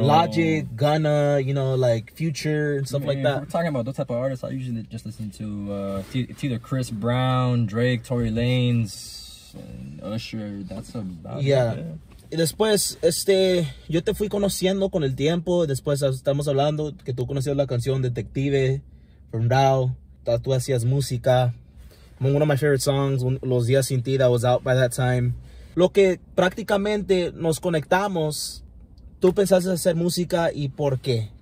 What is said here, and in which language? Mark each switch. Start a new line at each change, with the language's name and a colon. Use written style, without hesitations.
English: Logic, Gunna, you know, like, Future, and stuff like that. We're talking about those type of artists, I usually just listen to, it's either Chris Brown, Drake, Tory Lanez, and Usher, that's about it.
Spanish: Y después, yo te fui conociendo con el tiempo, después estamos hablando que tú conocías la canción Detective, from Rao, tú hacías música...
English: One of my favorite songs, Los Días Sin Ti, that was out by that time.
Spanish: Lo que prácticamente nos conectamos, tú pensaste hacer música y por qué?